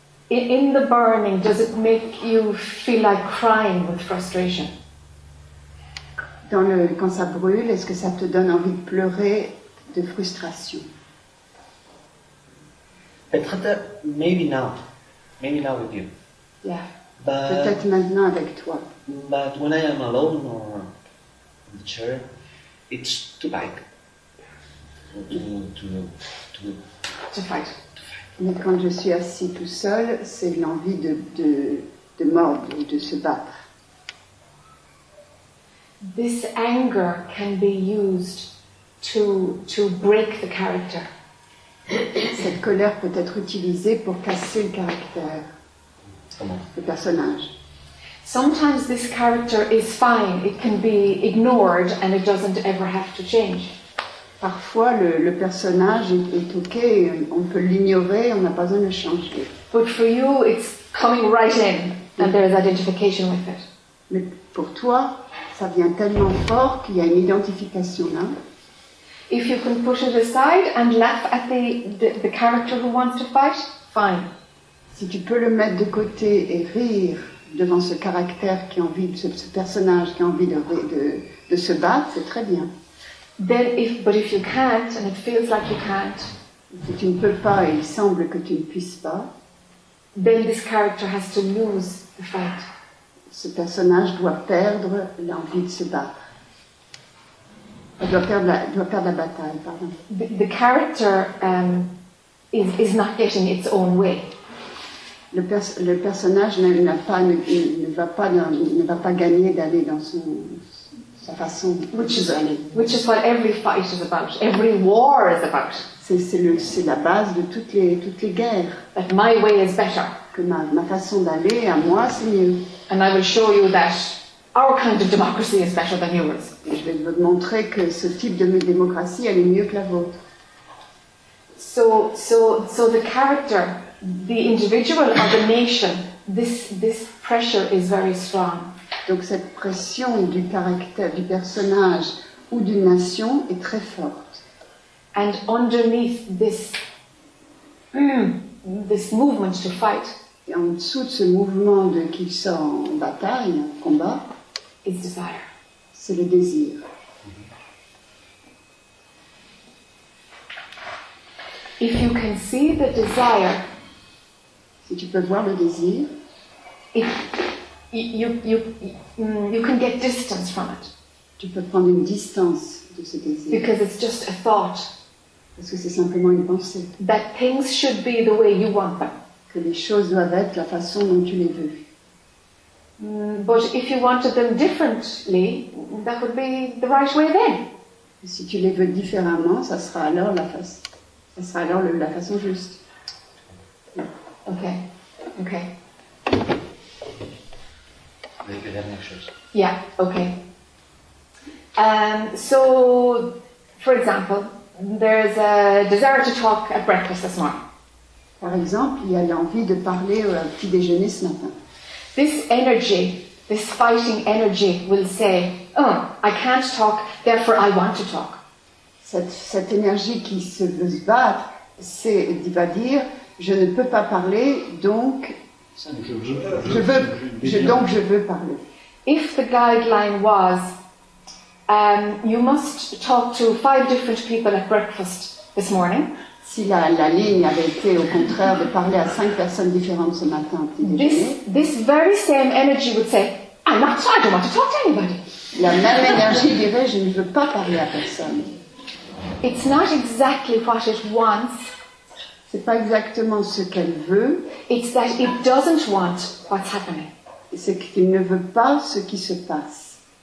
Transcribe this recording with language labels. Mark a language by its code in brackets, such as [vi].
[en] In the burning, does it make you feel like crying with frustration? [fr] Dans le quand ça brûle, est-ce que ça te donne envie de pleurer de frustration? Peut-être, [en] maybe now with you. Yeah. But, [fr] peut-être maintenant avec toi. [en] But when I am alone or in the chair, it's too bad. To fight. [fr] Mais quand je suis assis tout seul, c'est l'envie de mordre ou de se battre. [en] This anger can be used to break the character. [fr] Cette colère peut être utilisée pour casser le caractère. Comment? Le personnage. [en] Sometimes this character is fine. It can be ignored and it doesn't ever have to change. [fr] Parfois, le personnage est ok, on peut l'ignorer, on n'a pas besoin de le changer. [en] But for you, it's coming right in, and there is identification with it. [fr] Mais pour toi, ça vient tellement fort qu'il y a une identification là. [en] If you can push it aside and laugh at the character who wants to fight, fine. [fr] Si tu peux le mettre de côté et rire devant ce caractère qui a envie, ce personnage qui a envie de se battre, c'est très bien. [en] But if you can't and it feels like you can't, [fr] si tu ne peux pas et il semble que tu ne puisses pas, [en] then this character has to lose the fight. [fr] Ce personnage doit perdre l'envie de se battre. Doit perdre la bataille, pardon. [en] The character is not getting its own way. [fr] Le personnage ne va pas gagner d'aller dans son façon, [en] which is what every fight is about. Every war is about. [fr] C'est la base de toutes les guerres. [en] That my way is better. [fr] Que ma façon d'aller à moi c'est mieux. [en] And I will show you that our kind of democracy is better than yours. [fr] Et je vais vous montrer que ce type de démocratie elle est mieux que la vôtre. [en] So the character, the individual or the nation, this pressure is very strong. [fr] Donc cette pression du caractère, du personnage ou d'une nation est très forte. [en] And underneath this movement to fight, [fr] et en dessous de ce mouvement de qui sort en bataille, en combat, [en] is desire. [fr] C'est le désir. [en] If you can see the desire, [fr] si tu peux voir le désir, [en] You can get distance from it. [fr] Tu peux prendre une distance [en] Because it's just a thought. [fr] Parce que c'est simplement une pensée. [en] That things should be the way you want them. [fr] Que les choses doivent être la façon dont tu les veux. [en] But if you wanted them differently, that would be the right way then. [fr] Si tu les veux différemment, ça sera alors la façon. Ça sera alors la façon juste. [en] Okay. Okay. [fr] Avec la dernière chose. [en] Yeah. Okay. So, for example, there's a desire to talk at breakfast this morning. [fr] Par exemple, il y a l'envie de parler au petit déjeuner ce matin. [en] This energy, this fighting energy, will say, "Oh, I can't talk. Therefore, I want to talk." [fr] Cette énergie qui se veut se battre, c'est va dire, je ne peux pas parler, donc je veux parler. [en] If the guideline was, you must talk to 5 different people at breakfast this morning. [fr] Si la ligne avait été au contraire de parler à 5 personnes différentes ce matin. [en] This very same energy would say, I'm not, I don't want to talk to anybody. [fr] La même énergie dirait, je ne veux pas parler à personne. [en] It's not exactly what it wants. [fr] C'est pas exactement ce qu'elle veut. [en] It's that it doesn't want what's happening. [fr] C'est qu'il ne veut pas ce qui se passe.